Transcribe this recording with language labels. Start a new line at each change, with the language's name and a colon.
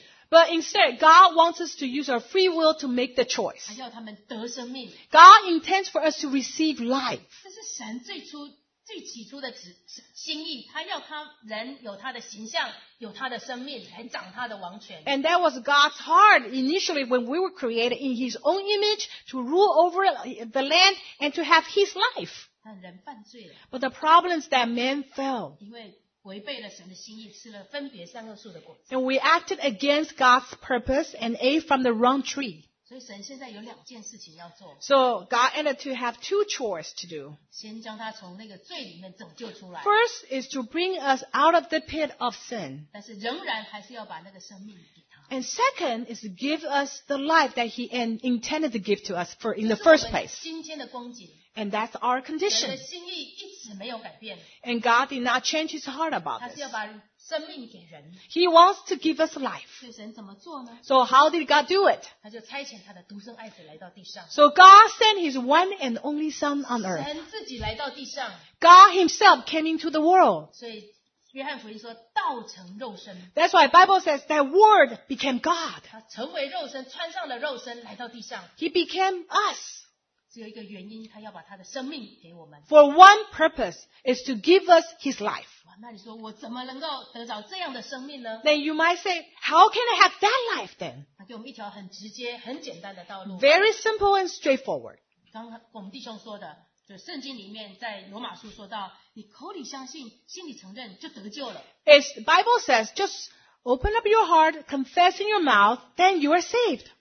English: But instead, God wants us to use our free will to make the choice. God intends for us to receive life. This is
Chinese: 神最初最起初的心意，他要他人有他的形象，有他的生命，来掌他的王权。
English: And that was God's heart initially when we were created in His own image to rule over the land and to have His life.
Chinese: 但人犯罪了。
English: But the problem is that man fell.
Chinese: 因为违背了神的心意，吃了分别善恶树的果子。
English: And we acted against God's purpose and ate from the wrong tree.
Chinese: 所以神现在有两件事情要做。
English: So God ended to have two chores to do.
Chinese: 先将他从那个罪里面拯救出来。
English: First is to bring us out of the pit of sin.
Chinese: 但是仍然还是要把那个生命给他。
English: And second is to give us the life that He intended to give to us for in the first place.
Chinese: 今天的光景。
English: And that's our condition.
Chinese: 神的心意一直没有改变。
English: And God did not change His heart about this.
Chinese: 他是要把生命给人。
English: He wants to give us life.
Chinese: 所以神怎么做呢？
English: So how did God do it?
Chinese: 他就差遣他的独生爱子来到地上。
English: So God sent His one and only Son on earth.
Chinese: 神自己来到地上。
English: God Himself came into the world.
Chinese: 所以约翰福音说道成肉身。
English: That's why Bible says that word became God.
Chinese: 他成为肉身，穿上了肉身来到地上。
English: He became us.
Chinese: 只有一个原因，他要把他的生命给我们。
English: For one purpose is to give us His life.
Chinese: 那你说我怎么能够得着这样的生命呢？
English: Then you might say, how can I have that life then?
Chinese: 他给我们一条很直接、很简单的道路。
English: Very simple and straightforward.
Chinese: 刚刚我们弟兄说的，就圣经里面在罗马书说到，你口里相信，心里承认，就得救了。
English: It's Bible says, just open up your heart, confess in your mouth, then you are saved.